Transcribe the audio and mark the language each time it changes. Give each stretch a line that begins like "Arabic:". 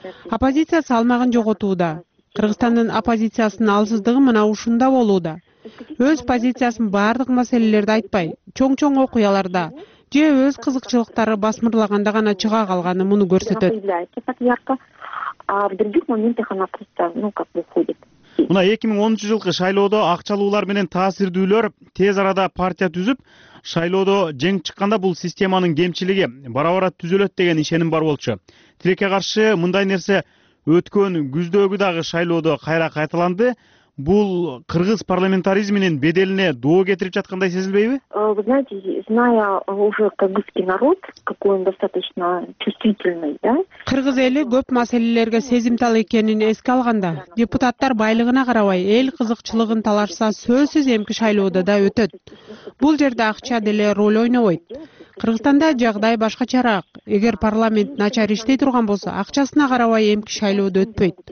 Kyrgyz: Оппозиция салмагын жоготууда. Кыргызстандын оппозициясынын алсыздыгы мына ушунда болууда. Өз позициясын бардык маселелерде айтпай, чоң-чоң окуяларда же өз кызыкчылыктары басмырлаганда гана чыга калганы муну көрсөтөт.
Russian: А в других моментах она просто, ну, как бы уходит.
Kyrgyz: Мына 2010 жылкы шайлоодо акчалуулар менен таасирдүүлөр тез арада партия түзүп, шайлоодо жеңип чыкканда бул системанын кемчилиги бара-бара түзөлөт деген ишеним бар болчу. Тилекке каршы мындай нерсе өткөн күздөгү дагы шайлоодо кайра кайталанды. бул кыргыз парламентаризминин беделине доо кетирип жаткандай сезилбейби?
Russian: Вы знаете, зная уже кыргызский народ, какой он достаточно чувствительный, да?
Kyrgyz: Кыргыз эли көп маселелерге сезимтал экенин эске алганда, депутаттар байлыгына карабай, эл кызыкчылыгын таларса, сөзсүз эмки шайлоодо да өтөт. Бул жерде акча деле роль ойнобойт. Кыргызстанда жагдай башкачараак. Эгер парламент начар иштей турган болсо, акчасына карабай эмки шайлоодо өтпөйт.